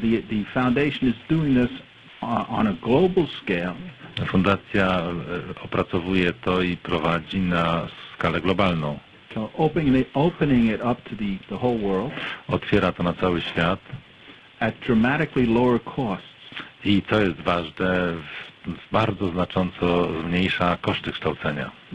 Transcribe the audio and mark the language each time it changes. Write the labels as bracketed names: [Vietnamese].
[English] The foundation is doing this on a global scale. [Polish] Fundacja opracowuje to i prowadzi na skalę globalną. [English] So opening it up to the whole world. [Polish] Otwiera to na cały świat. [English] At dramatically lower costs. [Polish] I to jest ważne. Bardzo znacząco zmniejsza koszty kształcenia.